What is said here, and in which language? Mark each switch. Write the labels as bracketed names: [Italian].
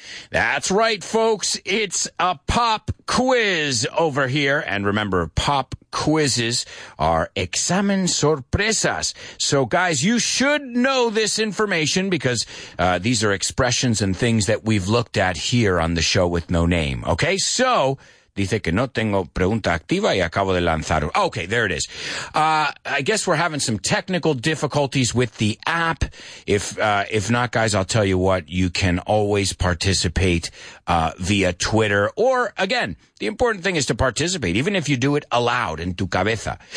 [English] That's right, folks. It's a pop quiz over here. And remember, pop quizzes are [Spanish] examen sorpresas. [English] So guys, you should know this information because these are expressions and things that we've looked at here on The Show with No Name. Okay, [Spanish] so dice que no tengo pregunta activa y acabo de lanzar. [English] Okay, there it is. I guess we're having some technical difficulties with the app. If not, guys, I'll tell you what, you can always participate via Twitter. Or, again, the important thing is to participate, even if you do it aloud, [Spanish] en tu cabeza.